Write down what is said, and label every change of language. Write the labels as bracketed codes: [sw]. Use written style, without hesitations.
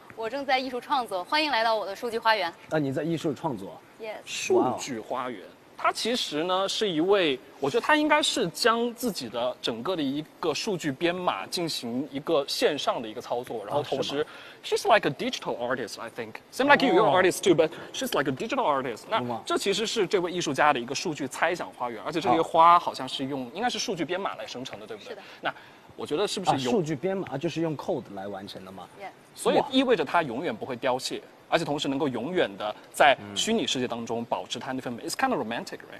[zh] 我正在艺术创作，欢迎来到我的数据花园。啊，你在艺术创作 [en] ？Yes。 [zh] 数据花园，它其实呢是一位，我觉得它应该是将自己的整个的一个数据编码进行一个线上的一个操作，然后同时。 [en] She's like a digital artist, I think. Same like you, you're an artist too, but she's like a digital artist. [zh] 那这其实是这位艺术家的一个数据猜想花园，而且这些花好像是用，应该是数据编码来生成的，对不对？是的。那我觉得是不是用、啊、数据编码就是用 code 来完成的吗？ [en] Yeah. [zh] 所以意味着它永远不会凋谢，而且同时能够永远的在虚拟世界当中保持它那份美。 [en] It's kind of romantic, right?